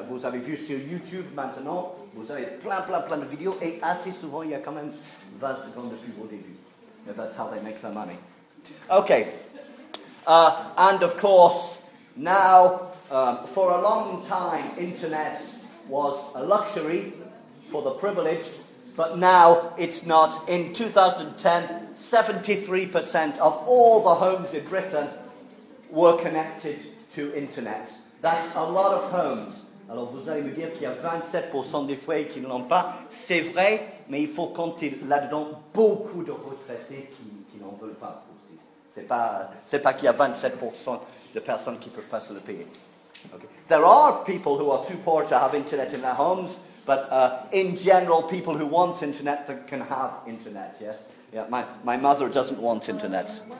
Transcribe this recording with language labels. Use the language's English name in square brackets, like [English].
[French] Vous avez vu sur YouTube maintenant, vous avez plein de vidéos et assez souvent il y a quand même 20 secondes depuis vos débuts. [English] And that's how they make their money. Okay. And of course, now, for a long time, internet was a luxury for the privileged, but now it's not. In 2010, 73% of all the homes in Britain were connected to internet. That's a lot of homes. [French] Alors vous allez me dire qu'il y a 27% des foyers qui ne l'ont pas. C'est vrai, mais il faut compter là-dedans beaucoup de retraités qui n'en veulent pas aussi. C'est pas qu'il y a 27% de personnes qui ne peuvent pas se le payer. [English] Okay. There are people who are too poor to have internet in their homes, but in general, people who want internet can have internet. Yes. Yeah. My mother doesn't want internet.